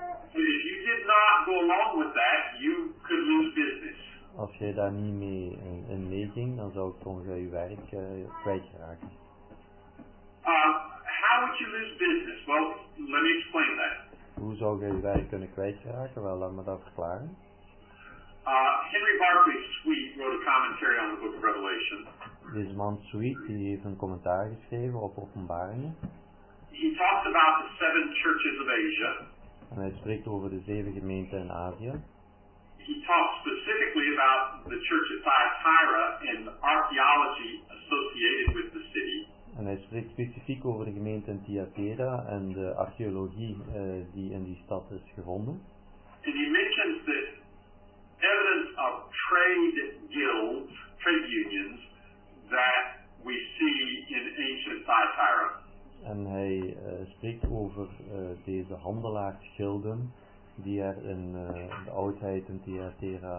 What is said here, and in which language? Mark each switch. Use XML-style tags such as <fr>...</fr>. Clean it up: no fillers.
<en>If you did not go along with that, you could lose business.</en> <nl>Als jij daar niet mee in meeging, dan zou ik je werk kwijtraken.</nl> <en>How would you lose business? Well, let me explain that.</en> <nl>Hoe zou jij je werk kunnen kwijtraken? Wel, laat me dat verklaren.</nl> <en>Henry Barclay Sweet wrote a commentary on the Book of Revelation.</en> <nl>Deze man Sweet, die heeft een commentaar geschreven op Openbaringen.</nl> <en>He talked about the seven churches of Asia.</en> <nl>En hij spreekt over de zeven gemeenten in Azië.</nl> <en>He talked specifically about the church at Thyatira and the archaeology associated with the city.</en> <nl>En hij spreekt specifiek over de gemeente in Thyatira en de archeologie die in die stad is gevonden.</nl> <en>And he mentions the evidence of trade guilds, trade unions, that we see in ancient Thyatira.</en> <nl>En hij spreekt over deze handelaarsgilden die er in de oudheid in Thyatira</nl>